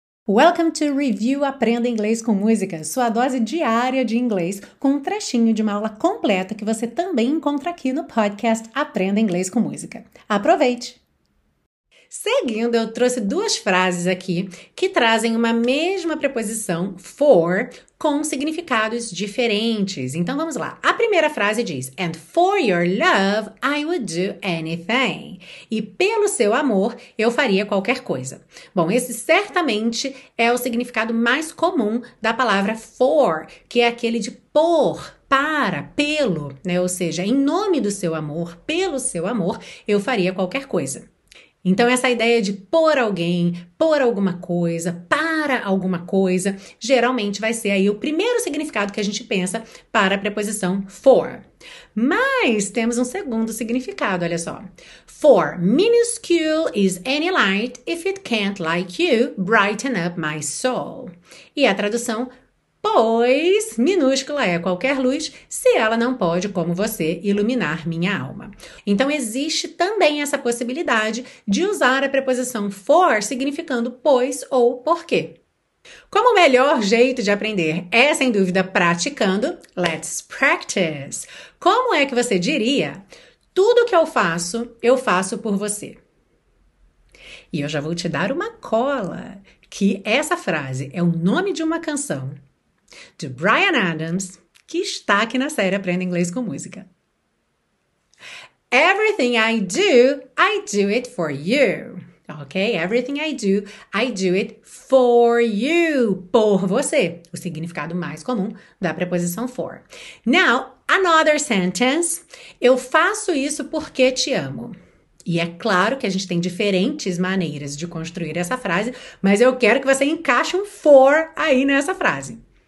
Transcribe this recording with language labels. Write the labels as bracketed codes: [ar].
[en] Welcome to [pt] Review Aprenda Inglês com Música, sua dose diária de inglês, com um trechinho de uma aula completa que você também encontra aqui no podcast Aprenda Inglês com Música. Aproveite! Seguindo, eu trouxe duas frases aqui que trazem uma mesma preposição, for, com significados diferentes. Então vamos lá. A primeira frase diz: [en] And for your love, I would do anything. [pt] E pelo seu amor, eu faria qualquer coisa. Bom, esse certamente é o significado mais comum da palavra for, que é aquele de por. Para, pelo, né? Ou seja, em nome do seu amor, pelo seu amor, eu faria qualquer coisa. Então, essa ideia de por alguém, por alguma coisa, para alguma coisa, geralmente vai ser aí o primeiro significado que a gente pensa para a preposição for. Mas temos um segundo significado, olha só. [en] For minuscule is any light if it can't, like you, brighten up my soul. [pt] E a tradução, pois minúscula é qualquer luz, se ela não pode, como você, iluminar minha alma. Então, existe também essa possibilidade de usar a preposição for significando pois ou porque. Como o melhor jeito de aprender é, sem dúvida, praticando, [en] let's practice. [pt] Como é que você diria? Tudo que eu faço por você. E eu já vou te dar uma cola, que essa frase é o nome de uma canção de Bryan Adams, que está aqui na série Aprenda Inglês com Música. [en] Everything I do it for you. Ok? Everything I do it for you. [pt] Por você. O significado mais comum da preposição for. [en] Now, another sentence. [pt] Eu faço isso porque te amo. E é claro que a gente tem diferentes maneiras de construir essa frase, mas eu quero que você encaixe um for aí nessa frase.